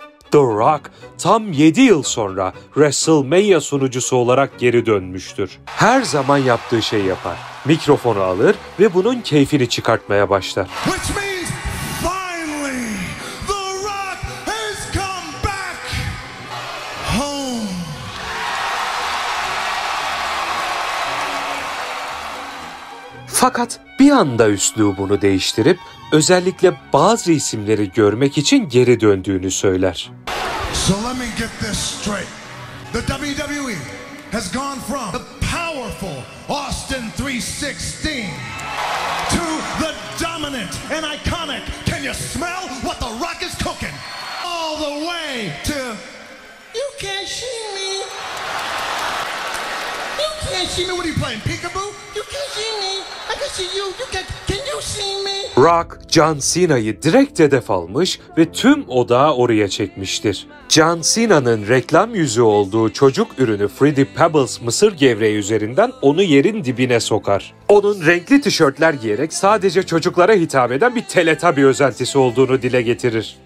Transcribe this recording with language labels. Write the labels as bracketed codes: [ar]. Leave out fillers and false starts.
[tr] The Rock tam 7 yıl sonra WrestleMania sunucusu olarak geri dönmüştür. Her zaman yaptığı şeyi yapar. Mikrofonu alır ve bunun keyfini çıkartmaya başlar. [en] Which means finally The Rock has come back home. [tr] Fakat bir anda üslubunu değiştirip özellikle bazı isimleri görmek için geri döndüğünü söyler. [en] So let me get this straight. The WWE has gone from the powerful Austin 316 to the dominant and iconic, can you smell what The Rock is cooking? All the way to, you can't see me. You can't see me, what are you playing, peekaboo? You can't see me, I can see you, you can't. [tr] Rock, John Cena'yı direkt hedef almış ve tüm odağı oraya çekmiştir. John Cena'nın reklam yüzü olduğu çocuk ürünü Fruity Pebbles mısır gevreği üzerinden onu yerin dibine sokar. Onun renkli tişörtler giyerek sadece çocuklara hitap eden bir Teletubby özentisi olduğunu dile getirir.